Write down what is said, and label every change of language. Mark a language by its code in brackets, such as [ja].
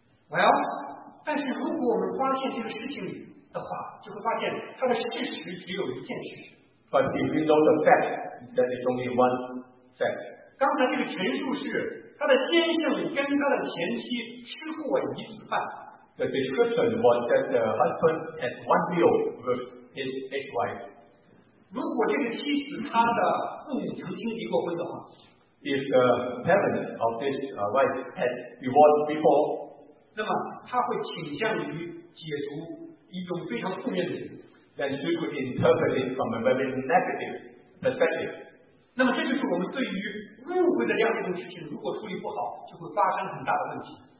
[en] Well, [zh] 但是如果我们发现这个事情的话，就会发现它的事实只有一件事实。 [en] But if we know the fact, that is only one fact. [zh] 刚才这个陈述是他的先生跟他的前妻吃过一次饭。 [en] The description was that the husband had one meal with his ex-wife. [zh] 如果这个妻子他的父母曾经离过婚的话 [en] ，If the parents of this wife had divorced before, [zh] 那么他会倾向于解读一种非常负面的。 [en] Then she could interpret it from a very negative perspective. [zh] 那么这就是我们对于误会的这样一种事情，如果处理不好，就会发生很大的问题。